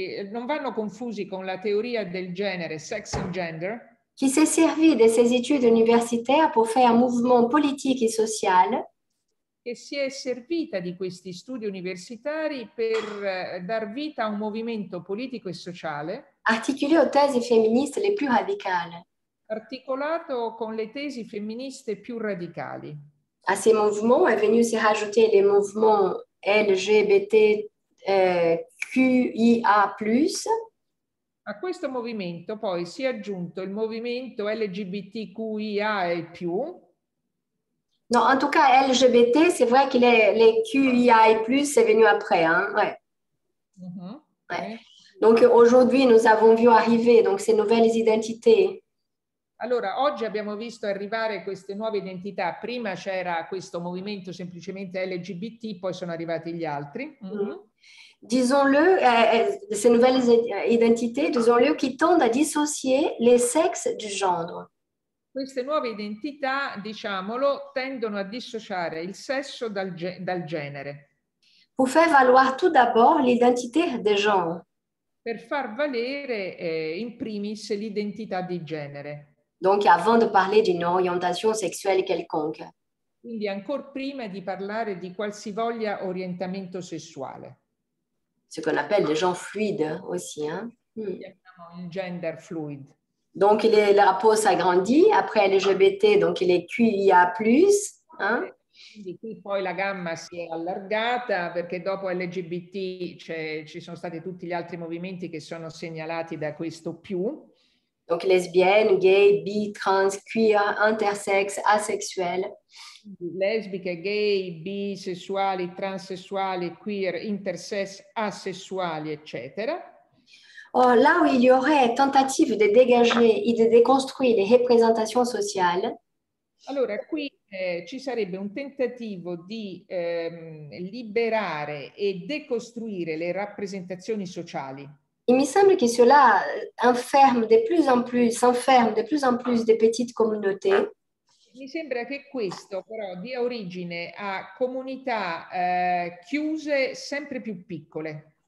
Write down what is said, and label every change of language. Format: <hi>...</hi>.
<it>Non vanno confusi con la teoria del genere,</it> <en>sex and gender.</en> <fr>Qui s'est servi de ses études universitaires pour faire un mouvement politique et social.</fr> <it>Che si è servita di questi studi universitari per dar vita a un movimento politico e sociale.</it> <fr>Articulé aux thèses féministes les plus radicales.</fr> <it>articolato con le tesi femministe più radicali.</it> <fr>A ces mouvements est venu se rajouter les mouvements LGBTQIA+.</fr> <it>A questo movimento poi si è aggiunto il movimento LGBTQIA e più.</it> <fr>No, en tout cas LGBT, c'est vrai que les QIA et plus c'est venu après, hein, ouais. Mm-hmm. Ouais. Donc aujourd'hui nous avons vu arriver donc ces nouvelles identités.</fr> <it>Allora, oggi abbiamo visto arrivare queste nuove identità. Prima c'era questo movimento semplicemente LGBT, poi sono arrivati gli altri. Mm-hmm.</it> <fr>Disons-le, ces nouvelles identités, disons-le, qui tendent à dissocier les sexes du genre.</fr> <it>Queste nuove identità, diciamolo, tendono a dissociare il sesso dal genere.</it> <fr>Pour faire valoir tout d'abord l'identité de genre.</fr> <it>Per far valere in primis l'identità di genere.</it> <fr>Donc avant de parler d'une orientation sexuelle quelconque.</fr> <it>Quindi ancora prima di parlare di qualsiasi orientamento sessuale.</it> <fr>Ce qu'on appelle les genres fluides aussi, hein.</fr> <it>Il gender fluid.</it> <fr>Donc le rapport s'agrandit après LGBT, donc les QIA+, hein.</fr> <it>Quindi qui poi la gamma si è allargata perché dopo LGBT ci sono stati tutti gli altri movimenti che sono segnalati da questo più.</it> <fr>Donc lesbienne, gay, bi, trans, queer, intersex, asexuel.</fr> <it>Lesbiche, gay, bisessuali, transessuali, queer, intersex, asessuali, eccetera.</it> <fr>Oh, là où il y aurait tentative de dégager et de déconstruire les représentations sociales.</fr> <it>Allora, qui ci sarebbe un tentativo di liberare e decostruire le rappresentazioni sociali.</it> <fr>Il</fr> <it>mi sembra</it> <fr>che cela enferme de plus en plus des petites communautés.</fr> <it>Mi sembra che questo però dia origine a comunità chiuse sempre più piccole.</it>